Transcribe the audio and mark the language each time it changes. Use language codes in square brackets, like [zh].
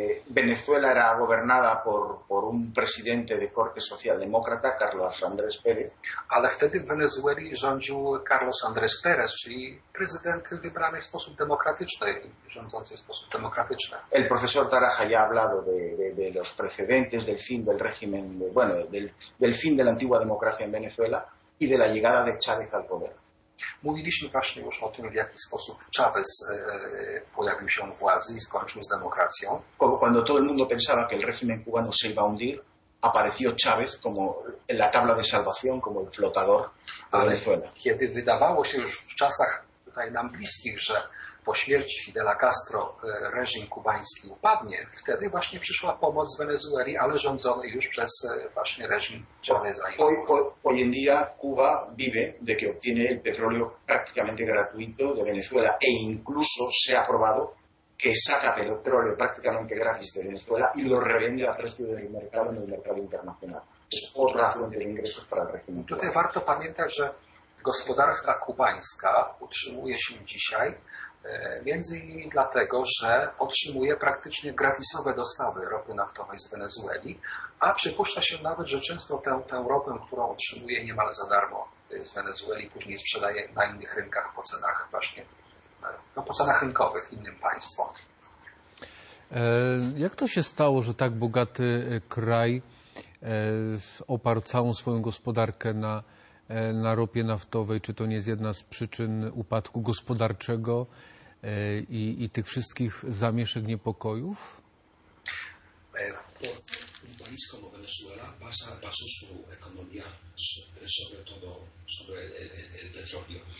[es] Venezuela era gobernada por un presidente de corte socialdemócrata, Carlos Andrés Pérez. [pl] Ale wtedy w Wenezueli rządził Carlos Andrés Pérez, czyli prezydent wybrany w sposób demokratyczny, rządzący w sposób demokratyczny. [es] El profesor Taraja ya ha hablado de los precedentes del fin del régimen, bueno, del fin de la antigua democracia en Venezuela y de la llegada de Chávez al poder. [pl] Mówiliśmy właśnie już o tym, w jaki sposób Chávez pojawił się u władzy i skończył z demokracją. [es] Cuando todo el mundo pensaba que el régimen cubano se iba a hundir, apareció Chávez como la tabla de salvación, como el flotador de Venezuela. [pl] Kiedy wydawało się już w czasach tutaj nam bliskich, że po śmierci Fidela Castro reżim kubański upadnie, wtedy właśnie przyszła pomoc z Wenezueli, ale rządzony już przez właśnie reżim Chaveza. [es] Hoy en día Cuba vive de que obtiene el petróleo prácticamente gratuito de Venezuela e incluso se ha probado que saca petróleo prácticamente gratis de Venezuela y lo revende a precio del mercado en el mercado internacional. Es otra fuente de ingresos para el régimen. [pl] Tutaj warto pamiętać, że gospodarka kubańska utrzymuje się dzisiaj między innymi dlatego, że otrzymuje praktycznie gratisowe dostawy ropy naftowej z Wenezueli, a przypuszcza się nawet, że często tę ropę, którą otrzymuje niemal za darmo z Wenezueli, później sprzedaje na innych rynkach po cenach właśnie, no, po cenach rynkowych innym państwom. Jak to się stało, że tak bogaty kraj oparł całą swoją gospodarkę na ropie naftowej, czy to nie jest jedna z przyczyn upadku gospodarczego i tych wszystkich zamieszek, niepokojów? [es] Kubańska Wenezuela basa su economía sobre todo sobre el petróleo.